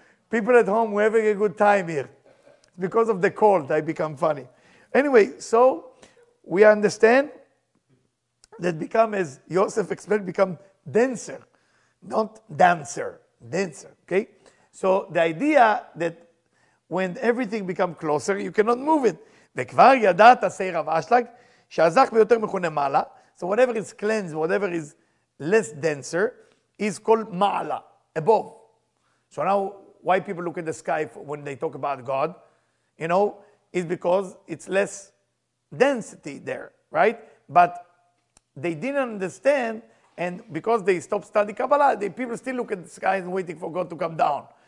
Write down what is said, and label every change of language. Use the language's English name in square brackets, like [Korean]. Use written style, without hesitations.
[English] People at home, we're having a good time here. Because of the cold, I become funny. Anyway, so we understand that become, as Yosef explained, become denser, not dancer, denser, okay? So the idea that when everything becomes closer, you cannot move it. [Hebrew] וכבר ידעת, [English] say Rav Ashlag, [Hebrew] שהזך ביותר מכונה מעלה. [English] So whatever is cleansed, whatever is less denser, is called מעלה, above. So now, why people look at the sky when they talk about God, you know, is because it's less density there, right? But they didn't understand, and because they stopped studying Kabbalah, the people still look at the sky and waiting for God to come down.